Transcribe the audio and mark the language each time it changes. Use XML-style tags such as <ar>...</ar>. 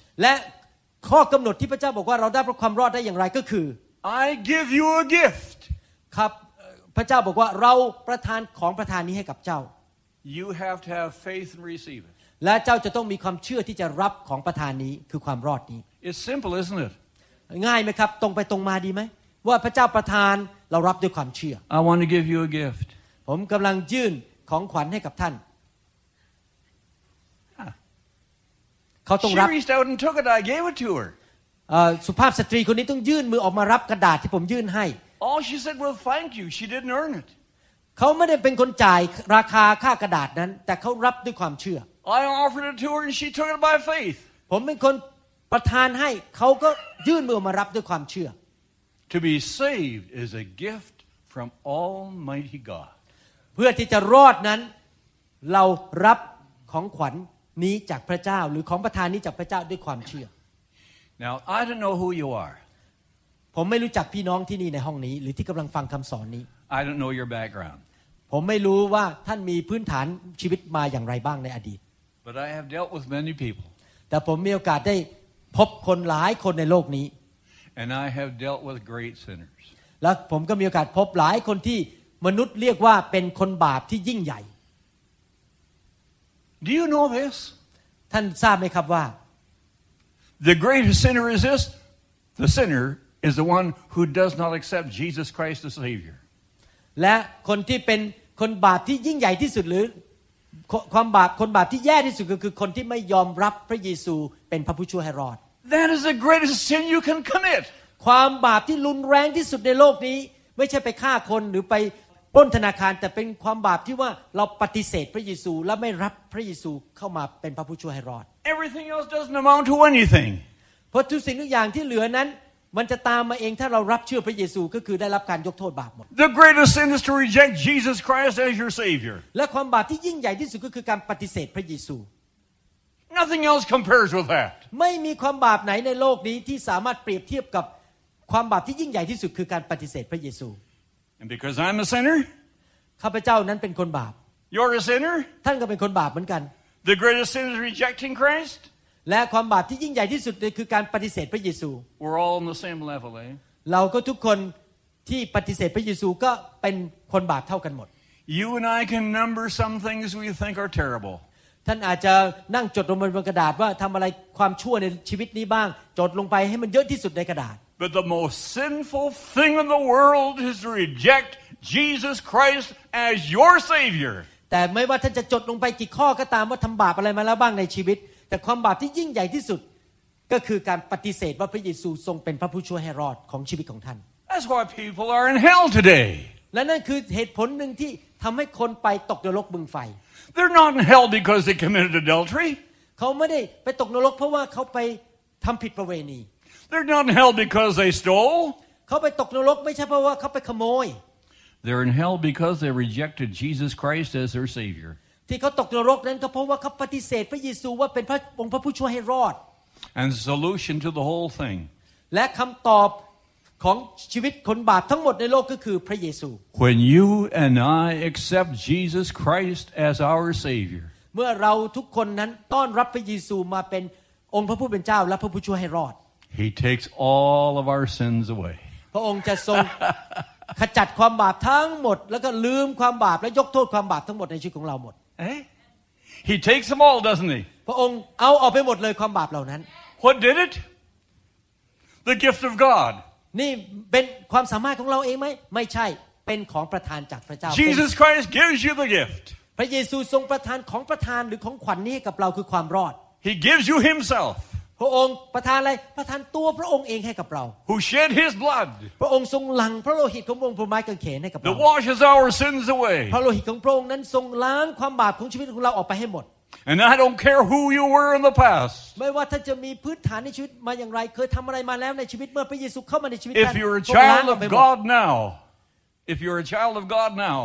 <th>และข้อกำหนดที่พระเจ้าบอกว่าเราได้รับความรอดได้อย่างไรก็คือ</th> <en>I give you a gift.</en> <th>ครับพระเจ้าบอกว่าเราประทานของประทานนี้ให้กับเจ้า</th> <en>You have to have faith and receive it.</en> <th>และเจ้าจะต้องมีความเชื่อที่จะรับของประทานนี้คือความรอดนี้</th> <en>It's simple, isn't it?</en> <th>ง่ายไหมครับตรงไปตรงมาดีไหมว่าพระเจ้าประทานเรารับด้วยความเชื่ อ</th> <en>I want to give you a gift.</en> <th>ผมกำลังยื่นของขวัญให้กับท่านเขาต้องรับ</th> <en>She reached out and took it. I gave it to her.</en> <th>สุภาพสตรีคนนี้ต้องยื่นมือออกมารับกระดาษที่ผมยื่นให้</th> <en>All she said, "Well, thank you." She didn't earn it.</en> <th>เขาไม่ได้เป็นคนจ่ายราคาค่ากระดาษนั้นแต่เขารับด้วยความเชื่อ</th> <en>I offered it to her and she took it by faith.</en> <th>ผมเป็นคนประทานให้เขาก็ยื่นมือมารับด้วยความเชื่อ</th> <en>To be saved is a gift from Almighty God.</en> <th>เพื่อที่จะรอดนั้นเรารับของขวัญนี้จากพระเจ้าหรือของประทานนี้จากพระเจ้าด้วยความเชื่อ</th> <en>Now I don't know who you are</en> <th>ผมไม่รู้จักพี่น้องที่นี่ในห้องนี้หรือที่กำลังฟังคำสอนนี้</th> <en>I don't know your background</en> <th>ผมไม่รู้ว่าท่านมีพื้นฐานชีวิตมาอย่างไรบ้างในอดีต</th> <en>But I have dealt with many people</en> <th>แต่ผมมีโอกาสได้พบคนหลายคนในโลกนี้</th> <en>And I have dealt with great sinners</en> <th>แล้วผมก็มีโอกาสพบหลายคนที่มนุษย์เรียกว่าเป็นคนบาปที่ยิ่งใหญ่</th> <en>Do you know this?</en> <th>ท่านทราบไหมครับว่า</th> <en>The greatest sinner is this. The sinner is the one who does not accept Jesus Christ as Savior.</en> <th>และคนที่เป็นคนบาปที่ยิ่งใหญ่ที่สุดหรือความบาปคนบาปที่แย่ที่สุดก็คือคนที่ไม่ยอมรับพระเยซูเป็นพระผู้ช่วยให้รอด</th> <en>That is the greatest sin you can commit.</en> <th>ความบาปที่รุนแรงที่สุดในโลกนี้ไม่ใช่ไปฆ่าคนหรือไปปล้นธนาคารแต่เป็นความบาปที่ว่าเราปฏิเสธพระเยซูและไม่รับพระเยซูเข้ามาเป็นพระผู้ช่วยให้รอด</th> <en>Everything else doesn't amount to anything</en> <th>เพราะทุกสิ่งทุกอย่างที่เหลือนั้นมันจะตามมาเองถ้าเรารับเชื่อพระเยซูก็คือได้รับการยกโทษบาปหมด</th> <en>The greatest sin is to reject Jesus Christ as your savior</en> <th>และความบาปที่ยิ่งใหญ่ที่สุดก็คือการปฏิเสธพระเยซู</th> <en>Nothing else compares with that</en> <th>ไม่มีความบาปไหนในโลกนี้ที่สามารถเปรียบเทียบกับความบาปที่ยิ่งใหญ่ที่สุดคือการปฏิเสธพระเยซู</th> <en>And because I'm a sinner,</en> <th>ข้าพเจ้านั้นเป็นคนบาป</th> <en>You're a sinner.</en> <th>ท่านก็เป็นคนบาปเหมือนกัน</th> <en>The greatest sin is rejecting Christ.</en> <th>และความบาปที่ยิ่งใหญ่ที่สุดคือการปฏิเสธพระเยซู</th> <en>We're all on the same level, eh?</en> <th>เราก็ทุกคนที่ปฏิเสธพระเยซูก็เป็นคนบาปเท่ากันหมด</th> <en>You and I can number some things we think are terrible.</en> <th>ท่านอาจจะนั่งจดลงบนกระดาษว่าทำอะไรความชั่วในชีวิตนี้บ้างจดลงไปให้มันเยอะที่สุดในกระดาษ</th> <en>But the most sinful thing in the world is to reject Jesus Christ as your Savior.</en> <th>แต่ไม่ว่าท่านจะจดลงไปกี่ข้อก็ตามว่าทำบาปอะไรมาแล้วบ้างในชีวิตแต่ความบาปที่ยิ่งใหญ่ที่สุดก็คือการปฏิเสธว่าพระเยซูทรงเป็นพระผู้ช่วยให้รอดของชีวิตของท่าน</th> <en>That's why people are in hell today.</en> <th>และนั่นคือเหตุผลหนึ่งที่ทำให้คนไปตกนรกบึงไฟ</th> <en>They're not in hell because they committed adultery.</en> <th>เขาไม่ได้ไปตกนรกเพราะว่าเขาไปทำผิดประเวณี</th> <en>They're not in hell because they stole.</en> <th>เขาไปตกนรกไม่ใช่เพราะว่าเขาไปขโมย</th> <en>They're in hell because they rejected Jesus Christ as their Savior</en> <th>ที่เขาตกนรกนั้นก็เพราะว่าเขาปฏิเสธพระเยซูว่าเป็นพระองค์พระผู้ช่วยให้รอด</th> <en>And the solution to the whole thing</en> <th>และคำตอบของชีวิตคนบาปทั้งหมดในโลกก็คือพระเยซู</th> <en>When you and I accept Jesus Christ as our Savior</en> <th>เมื่อเราทุกคนนั้นต้อนรับพระเยซูมาเป็นองค์พระผู้เป็นเจ้าและพระผู้ช่วยให้รอด</th> <en>He takes all of our sins away</en> <th>พระองค์จะทรงขจัดความบาปทั้งหมดแล้วก็ลืมความบาปและยกโทษความบาปทั้งหมดในชีวิตของเราหมด</th> <en>He takes them all, doesn't he?</en> <th>พระองค์เอาออกไปหมดเลยความบาปเหล่านั้น</th> <en>What did it? The gift of God.</en> <th>นี่เป็นความสามารถของเราเองไหมไม่ใช่เป็นของประทานจากพระเจ้า</th> <en>Jesus Christ gives you the gift.</en> <th>พระเยซูทรงประทานของประทานหรือของขวัญนี้กับเราคือความรอด</th> <en>He gives you Himself.</en> <th>พระองค์ประทานอะไรประทานตัวพระองค์เองให้กับเรา</th> <en>Who shed His blood.</en> <th>พระองค์ทรงหลั่งพระโลหิตของพระองค์บนไม้กางเขนให้กับเรา</th> <en>The washes our sins away.</en> <th>พระโลหิตของพระองค์นั้นทรงล้างความบาปของชีวิตของเราออกไปให้หมด</th> <en>And I don't care who you were in the past.</en> <th>ไม่ว่าท่านจะมีพื้นฐานในชีวิตมาอย่างไรเคยทำอะไรมาแล้วในชีวิตเมื่อพระเยซูเข้ามาในชีวิต ท่านก็ล้างออกไปหมด</th> <en>If you're a child of God now, if you're a child of God now,</en>